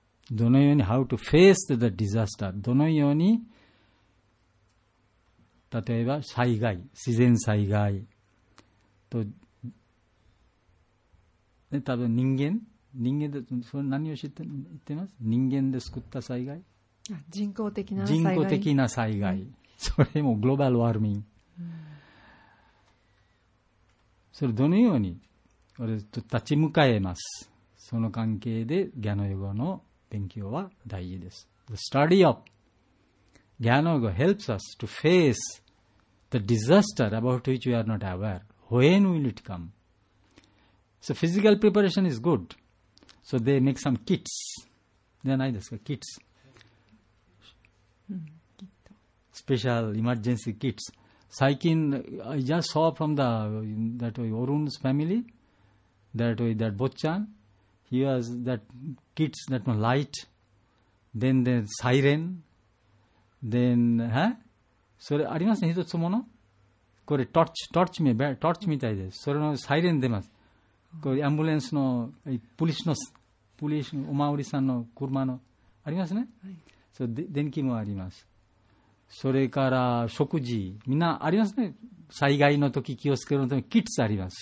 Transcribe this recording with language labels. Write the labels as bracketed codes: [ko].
[ja] どのように [en] How to face the disaster、 [ja] どのように例えば災害、自然災害と、ね、多分人間でそれ何を知って言ってます、人間で作った災害、人工的な災害、人工的な災害、うん、それもグローバルワーミング、うん、それどのように俺と立ち向かえます。その関係でギャノヨガの勉強は大事です。 [en] The study of Gyana Yoga helps us to face the disaster about which we are not aware. When will it come? So physical preparation is good. So they make some kits. [ja] じゃないですか、 [en] kits. Special emergency kits. 最近 I just saw from that Arun's family, that Bochan, he has that kits, that one light, then the siren,Then, huh? [ja] それありますね、一つもの。これ、トーチみたいです。それのサイレン出ます。これ、アンブレンスの、ポリスの、お守りさんの車の、ありますね。はい、それ電気もあります。それから、食事、みんなありますね。災害の時、気をつけるのために、キッズあります。